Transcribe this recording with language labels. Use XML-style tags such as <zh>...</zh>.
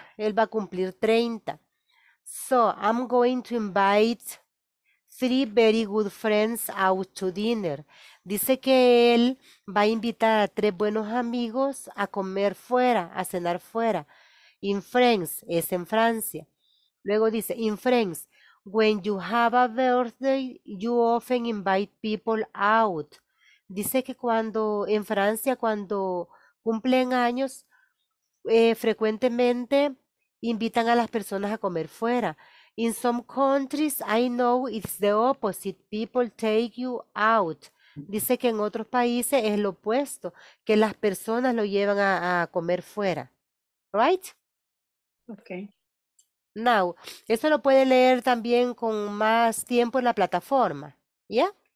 <es>Él va a cumplir 30.</es> <en>So, I'm going to invite 3 very good friends out to dinner.</en> <es>Dice que él va a invitar a 3 buenos amigos a comer fuera, a cenar fuera.</es> <en>In France,</en> <es>es en Francia. Luego dice,</es> <en>in France, when you have a birthday, you often invite people out.</en> <es>Dice que cuando, en Francia, cuando cumplen años, frecuentemente invitan a las personas a comer fuera.</es> <en>In some countries, I know it's the opposite. People take you out.</en> <es>Dice que en otros países es lo opuesto, que las personas lo llevan a comer fuera.</es> <en>Right? Okay.</en> <es>Now, eso lo puede leer también con más tiempo en la plataforma. ¿Ya?</es>